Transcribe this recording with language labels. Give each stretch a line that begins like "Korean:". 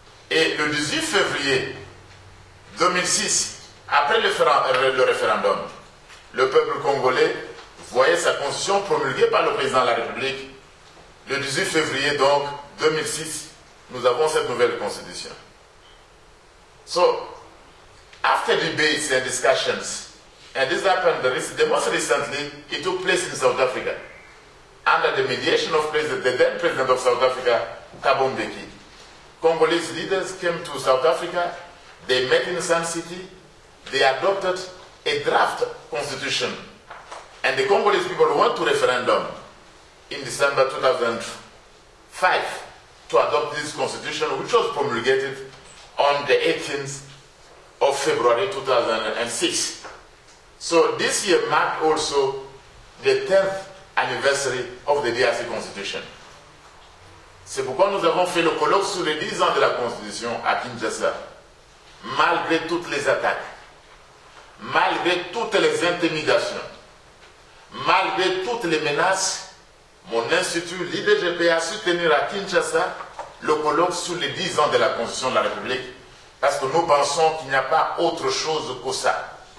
French: Et le 18 février 2006, après le référendum, le peuple congolais voyait sa constitution promulguée par le président de la République. Le 18 février donc 2006, nous avons cette nouvelle constitution.
English: So, after debates and discussions, and this happened the most recently, it took place in South Africa, under the mediation of the then president of South Africa, Thabo Mbeki. Congolese leaders came to South Africa, they met in Sun City, they adopted a draft constitution, and the Congolese people went to referendum in December 2005 to adopt this constitution, which was promulgated on the 18th of February 2006. So this year marked also the 10th anniversary of the DRC constitution.
French: C'est pourquoi nous avons fait le colloque sur les 10 ans de la Constitution à Kinshasa. Malgré toutes les attaques, malgré toutes les intimidations, malgré toutes les menaces, mon institut, l'IDGP, a su tenir à Kinshasa le colloque sur les 10 ans de la Constitution de la République, parce que nous pensons qu'il n'y a pas autre chose que ça.